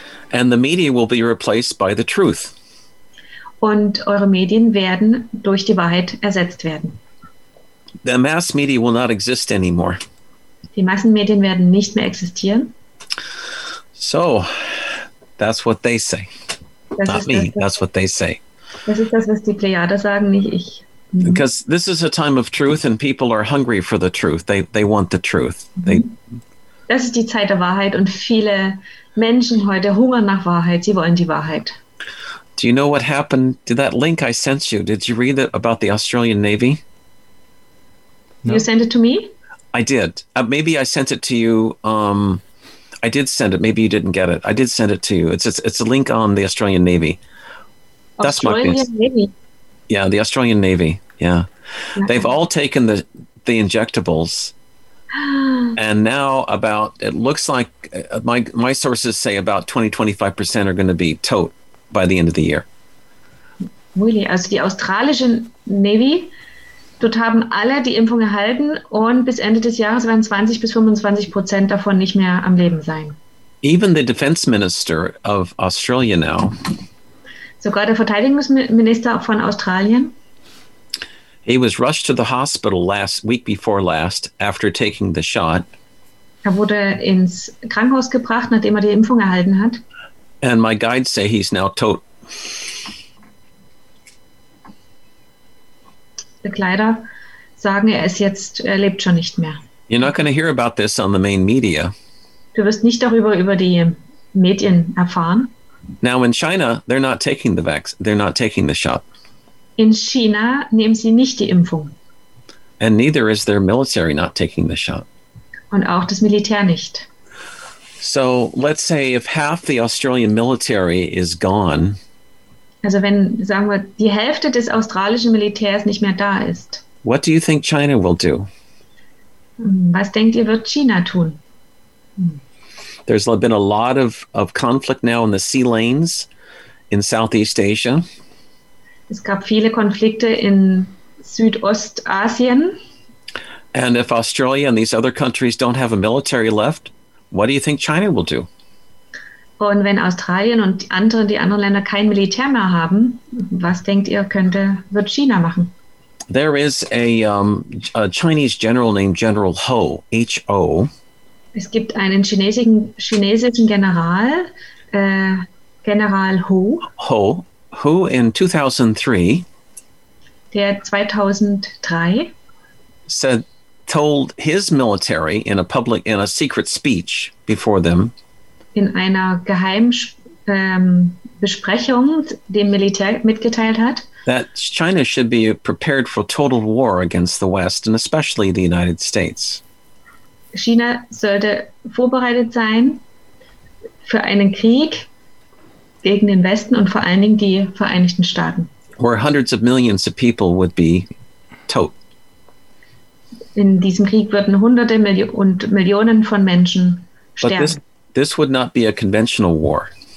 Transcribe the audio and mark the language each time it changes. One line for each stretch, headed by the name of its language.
English: And the media will be replaced by the truth.
German: Und eure Medien werden durch die Wahrheit ersetzt werden.
English: The mass media will not exist anymore.
German: Die Massenmedien werden nicht mehr existieren.
English: So, that's what they say.
German: Das
English: not me,
German: das,
English: that's what they say.
German: Das ist das, was die Plejade sagen, nicht ich.
English: Because this is a time of truth and people are hungry for the truth. They want the truth.
German: Das ist die Zeit der Wahrheit und viele Menschen heute hungern nach Wahrheit. Sie wollen die Wahrheit.
English: Do you know what happened to that link I sent you? Did you read it about the Australian Navy? No. You sent it to me? I did. Maybe I sent it to you. I did send it. Maybe you didn't get it. I did send it to you. It's a link on the Australian Navy. That's my guess. Yeah, the Australian Navy. Yeah. They've all taken the injectables. And now about, it looks like my sources say about 20-25% are going to be
German: tote
English: by the end of the year. Really?
German: Also die australische Navy, dort haben alle die Impfung erhalten und bis Ende des Jahres werden 20-25% davon nicht mehr am Leben sein.
English: Even the defense minister of Australia now.
German: Sogar der Verteidigungsminister von Australien.
English: He was rushed to the hospital week before last after taking the shot.
German: Er wurde ins Krankenhaus gebracht, nachdem er die Impfung erhalten hat.
English: And my guides say he's now
German: tot. Begleiter sagen, er ist jetzt, er lebt schon nicht mehr.
English: You're not going to hear about this on the main media.
German: Du wirst nicht darüber über die Medien erfahren.
English: Now in China, they're not taking the vaccine. They're not taking the shot.
German: In China nehmen sie nicht die Impfung.
English: And neither is their military not taking the shot.
German: Und auch das Militär nicht.
English: So let's say if half the Australian military is gone.
German: Also wenn, sagen wir, die Hälfte des australischen Militärs nicht mehr da ist.
English: What do you think China will do?
German: Was denkt ihr, wird China tun?
English: There's been a lot of conflict now in the sea lanes in Southeast Asia.
German: Es gab viele Konflikte in Südostasien.
English: And if Australia and these other countries don't have a military left, what do you think China will do?
German: Und wenn Australien und die anderen Länder kein Militär mehr haben, was denkt ihr, wird China machen?
English: There is a Chinese general named General Ho, H-O.
German: Es gibt einen chinesischen General, General Ho.
English: Ho. Who in 2003
German: der 2003
English: told his military in a public in a secret speech before them
German: in einer geheimen Besprechung dem Militär mitgeteilt hat
English: that China should be prepared for total war against the West and especially the United States.
German: China sollte vorbereitet sein für einen Krieg gegen den Westen und vor allen Dingen die Vereinigten Staaten.
English: Where hundreds of millions of people would be
German: tot. In diesem Krieg würden Hunderte und Millionen von Menschen sterben.
English: But this would not be a conventional war.